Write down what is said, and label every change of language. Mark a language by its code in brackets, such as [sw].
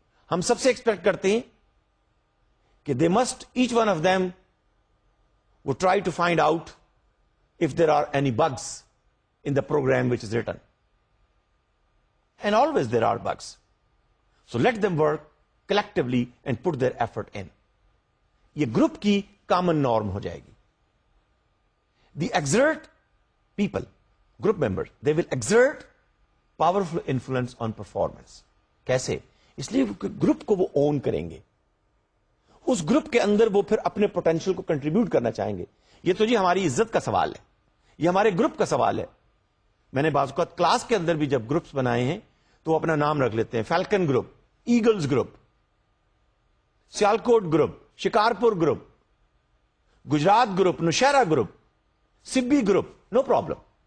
[ur] ہم سب سے ایکسپیکٹ کرتے ہیں کہ [en] They must each one of them would try to find out if there are any bugs in the program which is written, and always there are bugs, so let them work collectively and put their effort in. [ur] یہ group کی common norm ہو جائے گی. [en] The exert people, group members, they will exert powerful influence on performance. [ur] کیسے؟ اس لیے group کو وہ اون کریں گے، اس گروپ کے اندر وہ پھر اپنے پوٹینشیل کو کنٹریبیوٹ کرنا چاہیں گے. یہ تو جی ہماری عزت کا سوال ہے، یہ ہمارے گروپ کا سوال ہے. میں نے بعض اوقات کلاس کے اندر بھی جب گروپس بنائے ہیں تو وہ اپنا نام رکھ لیتے ہیں، falcon group, eagles group, Sialkot group, Shikarpur group, Gujarat group, Nowshera group, سبی گروپ، نو پرابلم.